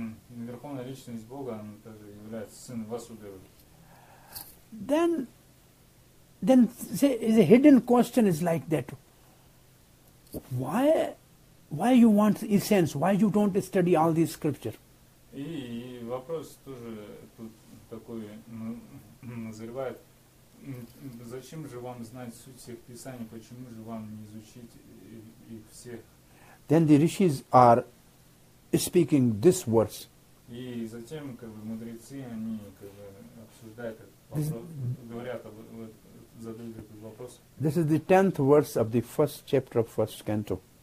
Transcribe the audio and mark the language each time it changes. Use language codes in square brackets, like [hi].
[ru] Верховная личность Бога, она также является сыном Васудевы. [en] Then the hidden question is like that. Why you want essence? Why you don't study all these scriptures? [ru] И вопрос тоже тут такой назревает. Зачем же вам знать суть всех писаний? Почему же вам не изучить их всех? [en] Then the rishis are speaking this words. [ru] И затем, как бы, мудрецы, они, как бы, обсуждают этот вопрос, говорят, задают этот вопрос. [en] This is the 10th verse of the first chapter of first canto.